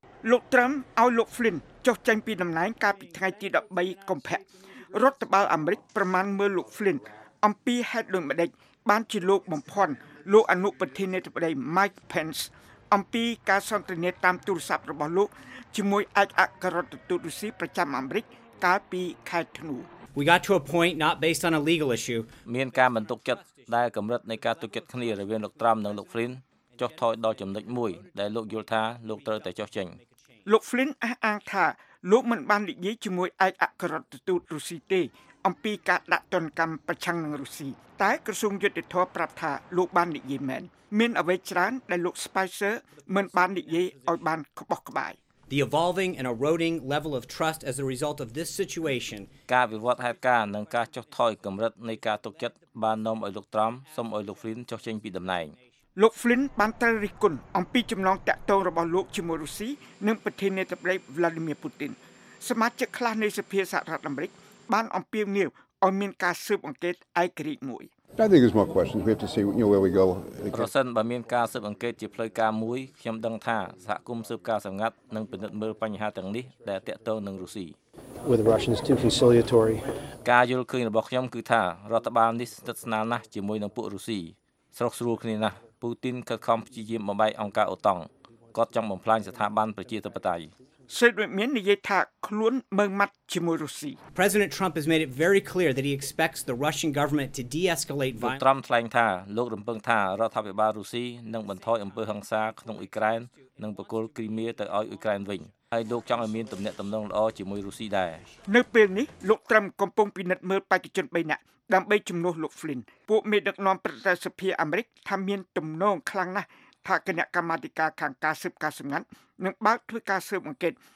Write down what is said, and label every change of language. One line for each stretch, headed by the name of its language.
Khmer: លោកត្រាំឲ្យលោក Flynn ចុះចេញពីតំណែងកាលពីថ្ងៃទី13កុម្ភៈរដ្ឋបាលអាមេរិកប្រមាណមើលលោក Flynn អំពីហេតុដូចម្តេចបានជាលោកបំភាន់លោកអនុប្រធានាធិបតី Mike Pence អំពីការសន្ទនាតាមទូរស័ព្ទរបស់លោកជាមួយឯកអគ្គរដ្ឋទូតរុស្ស៊ីប្រចាំអាមេរិកកាលពីខែធ្នូ
English: We got to a point not based on a legal issue
Khmer: មានការមិនទុកចិត្តដែលកម្រិតនៃការទុកចិត្តគ្នារវាងលោកត្រាំនិងលោក Flynn ចុះថយដល់ចំណុចមួយដែលលោកយល់ថាលោកត្រូវតែចុះចេញ លោក Flynn អះអាងថាលោកមិនបាននិយាយជាមួយឯកអគ្គរដ្ឋទូតរុស្ស៊ីទេអំពីការដាក់ទណ្ឌកម្មប្រឆាំងនឹងរុស្ស៊ីតែក្រសួងយុទ្ធភ័ពប្រាប់ថាលោកបាននិយាយមែនមានអ្វីច្រើនដែលលោក Spicer មិនបាននិយាយឲ្យបានក្បោះក្បាយ
English: The evolving and eroding level of trust as a result of this situation
Khmer: ការវិវត្តហេតុការណ៍និងការចុះថយកម្រិតនៃការទុកចិត្តបាននាំឲ្យលោកត្រាំសុំឲ្យលោក Flynn ចុះចេញពីតំណែង លោក Flynn បានត្រូវរិះគន់អំពីចំណងតាក់ទងរបស់លោកជាមួយរុស្ស៊ីនិងប្រធានាធិបតី Vladimir Putin សមាជិកខ្លះនៃសភាសហរដ្ឋអាមេរិកបានអំពាវនាវឲ្យមានការស៊ើបអង្កេតឯករាជ្យមួយ
English: I think there's more questions. We have to see, you know, where we go.
Khmer: Rosen បានមានការស៊ើបអង្កេតជាផ្លូវការមួយខ្ញុំដឹងថាសហគមន៍ស៊ើបការសម្ងាត់និងពិនិត្យមើលបញ្ហាទាំងនេះដែលទាក់ទងនឹងរុស្ស៊ី
English: With the Russians too conciliatory.
Khmer: ការយល់ឃើញរបស់ខ្ញុំគឺថារដ្ឋបាលនេះស្និទ្ធស្នាលណាស់ជាមួយនឹងពួករុស្ស៊ីស្រុកស្រួលគ្នាណាស់ Putin ក៏ខំព្យាយាមបំបែកអង្គការអូតង់គាត់ចង់បំផ្លាញស្ថាប័នប្រជាធិបតេយ្យ សេចក្តីមាននិយាយថាខ្លួនមើងម៉ាត់ជាមួយរុស្ស៊ី
English: President Trump has made it very clear that he expects the Russian government to de-escalate violence
Khmer: លោកត្រាំថ្លែងថាលោករំពឹងថារដ្ឋាភិបាលរុស្ស៊ីនឹងបន្ថយអំពើហិង្សាក្នុងអ៊ុយក្រែននិងប្រគល់គ្រីមៀទៅឲ្យអ៊ុយក្រែនវិញហើយលោកចង់ឲ្យមានទំនាក់ទំនងល្អជាមួយរុស្ស៊ីដែរ នៅពេលនេះលោកត្រាំកំពុងពិនិត្យមើលបច្ចុប្បន្ន3នាក់ដើម្បីជំនួសលោក Flynn ពួកមេដឹកនាំប្រតិភូអាមេរិកថាមានទំនងខ្លាំងណាស់ថាគណៈកម្មាធិការខាងការស៊ើបការណ៍សម្ងាត់នឹងបើកធ្វើការស៊ើបអង្កេត